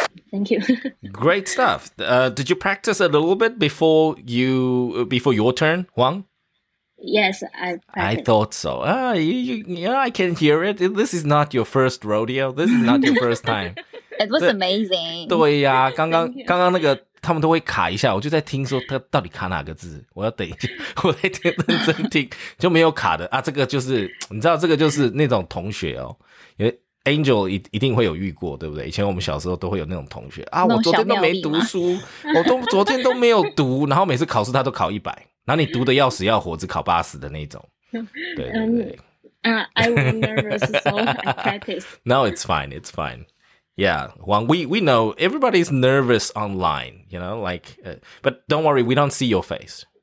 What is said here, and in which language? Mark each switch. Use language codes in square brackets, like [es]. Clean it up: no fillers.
[en] Thank you. Great stuff. Did you practice a little bit before your turn, Huang? Yes, I thought so. I can hear it. This is not your first rodeo. This is not your first time. It was amazing. [zh] 对呀、啊，刚刚那个他们都会卡一下，我就在听说他到底卡哪个字，我要等一下，我在听认真听就没有卡的啊。这个就是你知道，这个就是那种同学哦，因为Angel 一定会有遇过，对不对？以前我们小时候都会有那种同学啊，我昨天都没读书，昨天都没有读，然后每次考试他都考100。然后你读的要死要活，只考80的那种，对对对。 [en] I was nervous, so I practiced. No, it's fine. Yeah, Huang, we know everybody's nervous online, you know, like,but don't worry, we don't see your face.